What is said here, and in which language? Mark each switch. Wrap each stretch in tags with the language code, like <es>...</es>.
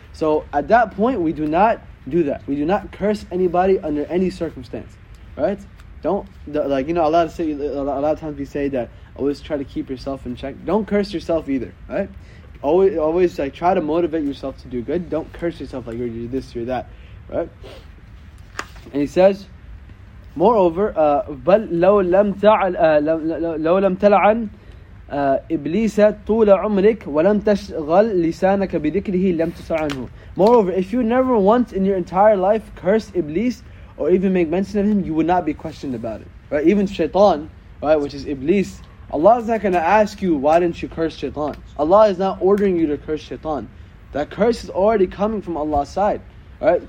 <en>So at that point, we do not do that. We do not curse anybody under any circumstance. Right? A lot of times we say that always try to keep yourself in check. Don't curse yourself either. Right? Always like try to motivate yourself to do good. Don't curse yourself like you're this, you're that. Right?</en> <ar>And he says, moreover, بل لو لم تلعن إبليس طول عمرك ولم تشغل لسانك بذكره لم تسعنه.</ar> <en>Moreover, if you never once in your entire life curse Iblis or even make mention of him, you would not be questioned about it. Right? Even Shaitan, right, which is Iblis, Allah is not going to ask you why didn't you curse Shaitan. Allah is not ordering you to curse Shaitan. That curse is already coming from Allah's side. Right?</en>